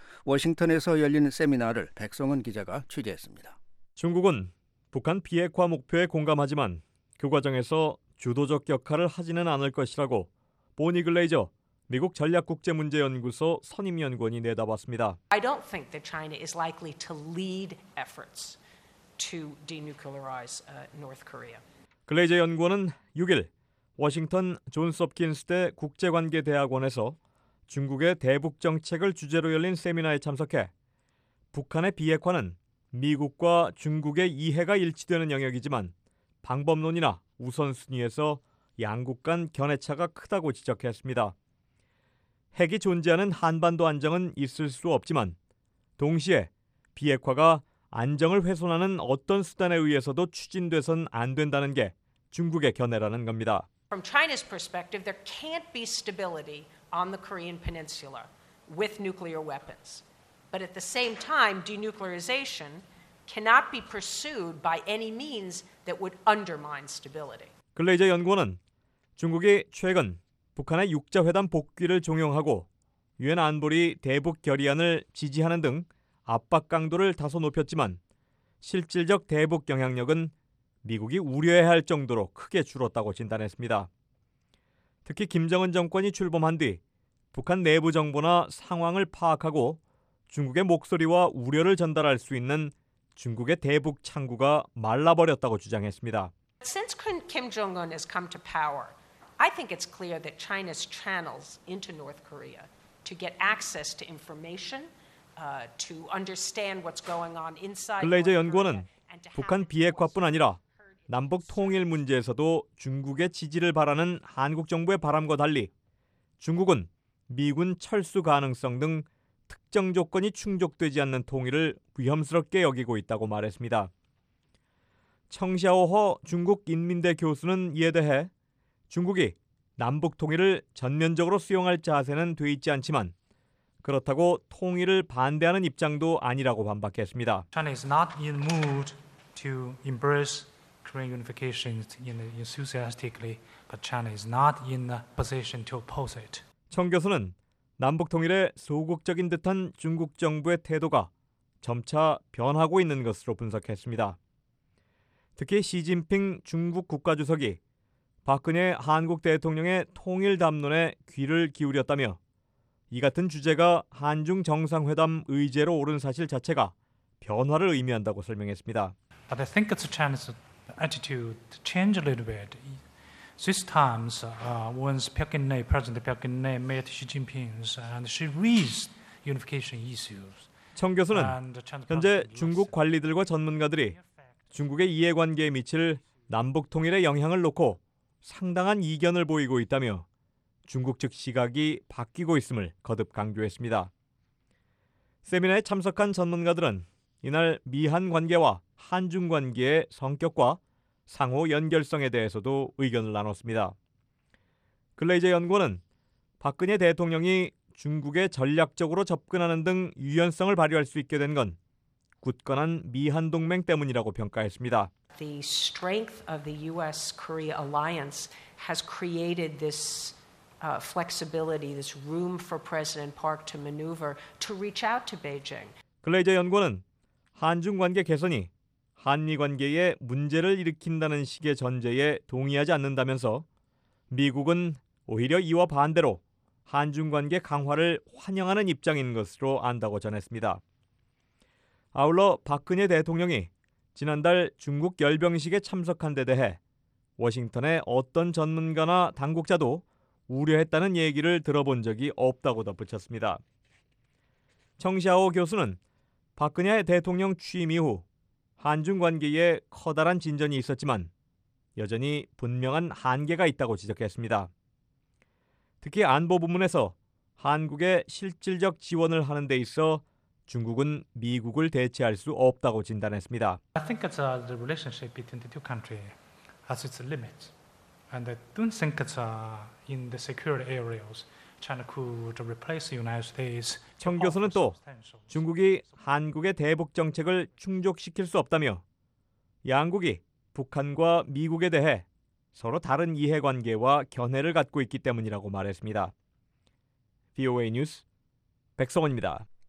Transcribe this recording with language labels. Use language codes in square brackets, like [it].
[ko] 워싱턴에서 열린 세미나를 백성은 기자가 취재했습니다. 중국은 북한 비핵화 목표에 공감하지만 그 과정에서 주도적 역할을 하지는 않을 것이라고 보니 글레이저 미국 전략국제문제연구소 선임연구원이 내다봤습니다. [en] I don't think that China is likely to lead efforts to denuclearize North Korea. [ko] 글레이저 연구원은 6일 워싱턴 존스홉킨스대 국제관계대학원에서 중국의 대북 정책을 주제로 열린 세미나에 참석해 북한의 비핵화는 미국과 중국의 이해가 일치되는 영역이지만 방법론이나 우선순위에서 양국 간 견해차가 크다고 지적했습니다. 핵이 존재하는 한반도 안정은 있을 수 없지만 동시에 비핵화가 안정을 훼손하는 어떤 수단에 의해서도 추진돼선 안 된다는 게 중국의 견해라는 겁니다. [en] From China's perspective, there can't be stability on the Korean Peninsula with nuclear weapons. But at the same time, denuclearization cannot be pursued by any means that would undermine stability. [ko] 글레이저 연구원은 중국이 최근 북한의 육자회담 복귀를 종용하고 유엔 안보리 대북 결의안을 지지하는 등 압박 강도를 다소 높였지만 실질적 대북 영향력은 미국이 우려해야 할 정도로 크게 줄었다고 진단했습니다. 특히 김정은 정권이 출범한 뒤 북한 내부 정보나 상황을 파악하고 중국의 목소리와 우려를 전달할 수 있는 중국의 대북 창구가 말라버렸다고 주장했습니다. [en] Since Kim Jong-un has come to power, I think it's clear that China's channels into North Korea to get access to information, to understand what's going on inside. [ko] 글레이저 연구원은 북한 비핵화뿐 아니라 남북 통일 문제에서도 중국의 지지를 바라는 한국 정부의 바람과 달리 중국은 미군 철수 가능성 등 특정 조건이 충족되지 않는 통일을 위험스럽게 여기고 있다고 말했습니다. 청샤오허 중국 인민대 교수는 이에 대해 중국이 남북 통일을 전면적으로 수용할 자세는 돼 있지 않지만 그렇다고 통일을 반대하는 입장도 아니라고 반박했습니다. [en] China is not in mood to embrace Korean unification enthusiastically, but China is not in a position to oppose it. [ko] 청 교수는 남북 통일에 소극적인 듯한 중국 정부의 태도가 점차 변하고 있는 것으로 분석했습니다. 특히 시진핑 중국 국가주석이 박근혜 한국 대통령의 통일 담론에 귀를 기울였다며 이 같은 주제가 한중 정상회담 의제로 오른 사실 자체가 변화를 의미한다고 설명했습니다. [en] But I think it's a chance attitude to change a little bit. This time, once President Peking met Xi Jinping and she raised unification issues. [ko] 청 교수는 현재 중국 관리들과 전문가들이 중국의 이해관계에 미칠 남북 통일에 영향을 놓고 상당한 이견을 보이고 있다며 중국 측 시각이 바뀌고 있음을 거듭 강조했습니다. 세미나에 참석한 전문가들은 이날 미한 관계와 한중 관계의 성격과 상호 연결성에 대해서도 의견을 나눴습니다. 글레이저 연구원은 박근혜 대통령이 중국에 전략적으로 접근하는 등 유연성을 발휘할 수 있게 된 건 굳건한 미한 동맹 때문이라고 평가했습니다. [en] The strength of the U.S. Korea alliance has created this flexibility, this room for President Park to maneuver to reach out to Beijing. [ko] 글레이저 연구원은 한중 관계 개선이 한미 관계에 문제를 일으킨다는 식의 전제에 동의하지 않는다면서 미국은 오히려 이와 반대로 한중 관계 강화를 환영하는 입장인 것으로 안다고 전했습니다. 아울러 박근혜 대통령이 지난달 중국 열병식에 참석한 데 대해 워싱턴의 어떤 전문가나 당국자도 우려했다는 얘기를 들어본 적이 없다고 덧붙였습니다. 청샤오 교수는 박근혜 대통령 취임 이후 한중 관계에 커다란 진전이 있었지만 여전히 분명한 한계가 있다고 지적했습니다. 특히 안보 부문에서 한국의 실질적 지원을 하는 데 있어 중국은 미국을 대체할 수 없다고 진단했습니다. [en] I think it's the relationship between the two countries has its limits. And I don't think it's in the security areas China could replace the United States. [ko] 청 교수는 또 중국이 한국의 대북 정책을 충족시킬 수 없다며 양국이 북한과 미국에 대해 서로 다른 이해관계와 견해를 갖고 있기 때문이라고 말했습니다. VOA 뉴스 백성원입니다.